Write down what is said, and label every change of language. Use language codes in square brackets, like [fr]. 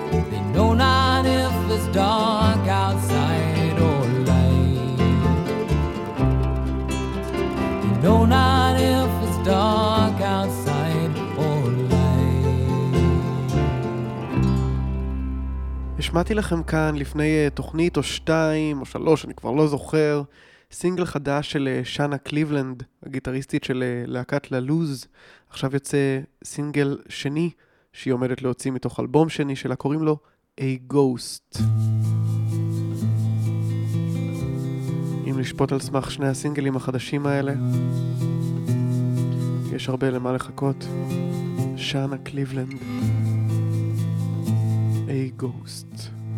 [en] They know not if it's dark outside or light. They know not if it's dark outside or light. [he] השמעתי לכם כאן לפני תוכנית או שתיים או שלוש, אני כבר לא זוכר, סינגל חדש של שנה קליבלנד, הגיטריסטית של להקת ללוז. עכשיו יוצא סינגל שני שהיא עומדת להוציא מתוך אלבום שני שלה, קוראים לו A Ghost. אם לשפוט על סמך שני הסינגלים החדשים האלה, יש הרבה למה לחכות. שנה קליבלנד, A Ghost.